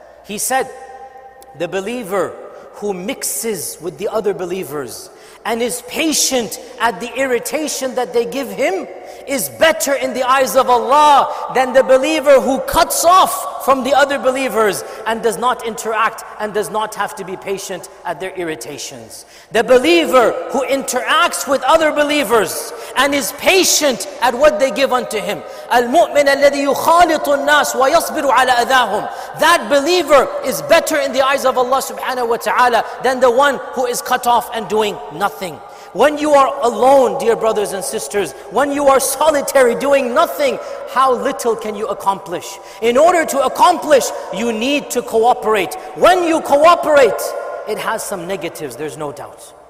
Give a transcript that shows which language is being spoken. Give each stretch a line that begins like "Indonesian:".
English: He said, the believer who mixes with the other believers and is patient at the irritation that they give him is better in the eyes of Allah than the believer who cuts off from the other believers and does not interact and does not have to be patient at their irritations. The believer who interacts with other believers and is patient at what they give unto him.
Arabic: المؤمن الذي يخالط الناس ويصبر على أذاهم.
English: That believer is better in the eyes of Allah subhanahu wa ta'ala than the one who is cut off and doing nothing. When you are alone, dear brothers and sisters, when you are solitary doing nothing, how little can you accomplish? In order to accomplish, you need to cooperate. When you cooperate, it has some negatives, there's no doubt.